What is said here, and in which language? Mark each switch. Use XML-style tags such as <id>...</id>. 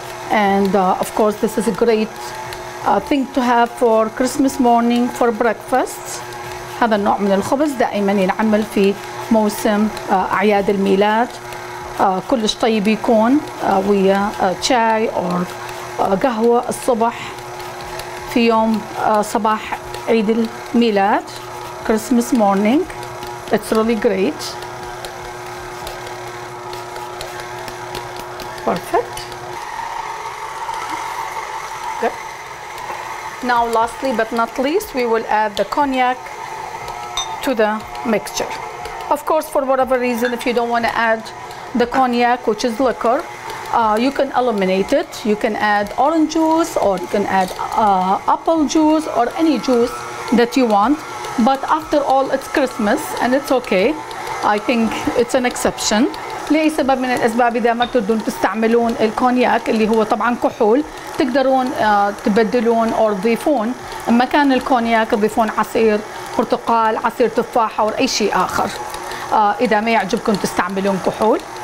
<en>And of course, this is a great thing to have for Christmas morning for breakfast.</en> <ar>هذا النوع من الخبز دائما ينعمل في موسم أعياد الميلاد. كلش طيب يكون ويا شاي أو قهوة الصبح في يوم صباح عيد الميلاد.</ar> <en>Christmas morning. It's really great. Perfect. Now, lastly but not least, we will add the cognac to the mixture. Of course, for whatever reason, if you don't want to add the cognac, which is liquor, you can eliminate it. You can add orange juice, or you can add apple juice, or any juice that you want. But after all, it's Christmas, and it's okay. I think it's an exception.</en> <ar>لأي سبب من الأسباب إذا ما تريدون تستعملون الكونياك اللي هو طبعا كحول، تقدرون تبدلون أو تضيفون مكان الكونياك، تضيفون عصير برتقال، عصير تفاح أو أي شيء آخر إذا ما يعجبكم تستعملون كحول.</ar>